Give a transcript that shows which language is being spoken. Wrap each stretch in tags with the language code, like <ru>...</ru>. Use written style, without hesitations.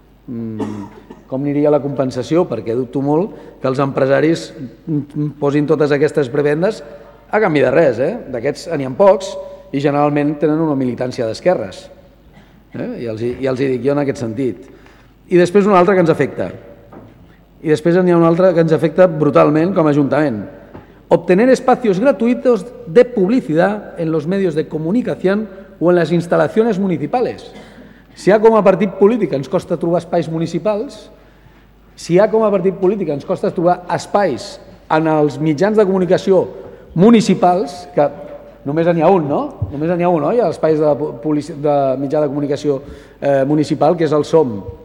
<ca>Com aniria la compensació? Perquè dubto molt que els empresaris posin totes aquestes prebendes a canvi de res. D'aquests n'hi ha pocs i generalment tenen una militància d'esquerres. I els hi dic jo en aquest sentit. I després una altra que ens afecta. I després n'hi ha una altra que ens afecta brutalment com a ajuntament.</ca> <es>Obtener espacios gratuitos de publicidad en los medios de comunicación o en las instalaciones municipales.</es> <ca>Si ja com a partit polític ens costa trobar espais municipals, si ja com a partit polític ens costa trobar espais en els mitjans de comunicació municipals, que només n'hi ha un, no? Només n'hi ha un, no? Hi ha espais de mitjà de comunicació municipal, que és el SOM.</ca>